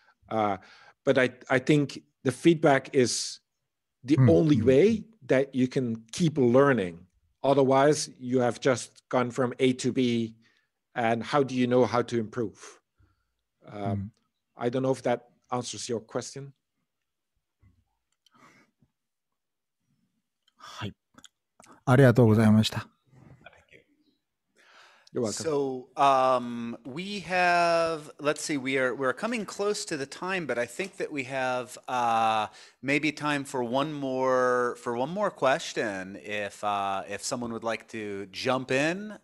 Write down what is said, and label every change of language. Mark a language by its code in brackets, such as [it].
[en] But I think the feedback is the only way that you can keep learning. Otherwise, you have just gone from A to B, and how do you know how to improve? I don't know if that answers your question. [ja] はい、ありがとうございました。 [en] So, we have, let's see, we're coming close to the time, but I think that we have maybe time for one more question if someone would like to jump in.